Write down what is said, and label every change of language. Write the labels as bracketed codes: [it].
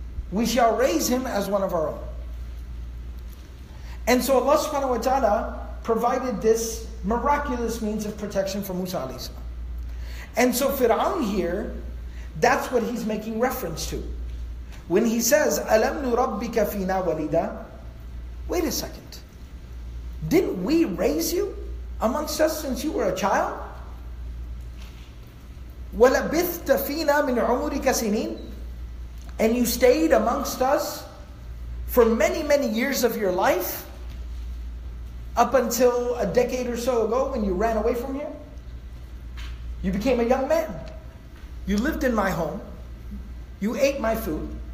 [en] We shall raise him as one of our own. And so Allah subhanahu wa ta'ala provided this miraculous means of protection for Musa alayhi salam. And so Fir'aun here, that's what he's making reference to. When he says, [ar] أَلَمْ نُرَبِّكَ فِينَا وَلِيدًا. [en] Wait a second. Didn't we raise you amongst us since you were a child? [ar] وَلَبِثْتَ فِينَا مِنْ عُمُرِكَ سِنِينَ. [en] And you stayed amongst us for many, many years of your life, up until a decade or so ago when you ran away from here. You became a young man. You lived in my home. You ate my food.